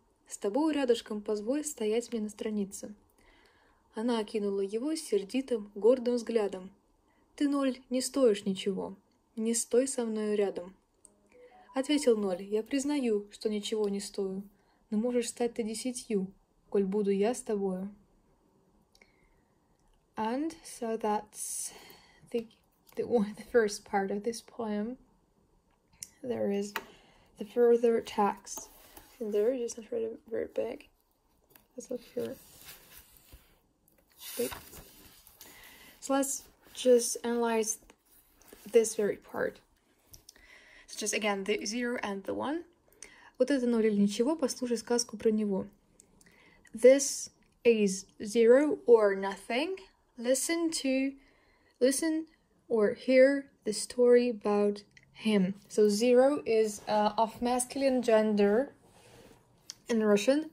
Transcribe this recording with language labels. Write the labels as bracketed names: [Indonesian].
[Russian] С тобой рядышком позволь стоять мне на странице. Она окинула его сердитым, гордым взглядом. Ты ноль, не стоишь ничего, не стой со мною рядом. Ответил ноль, я признаю, что ничего не стою. Но можешь стать ты десятью, коль буду я с тобою. [English] And so that's the first part of this poem. There is the further text in there, just not really very big. Let's look here. Big. So let's just analyze this very part. So just again, the zero and the one. [Russian] Вот это ноль или ничего, послушай сказку про него. [English] This is zero or nothing. Listen or hear the story about him. So zero is of masculine gender in Russian.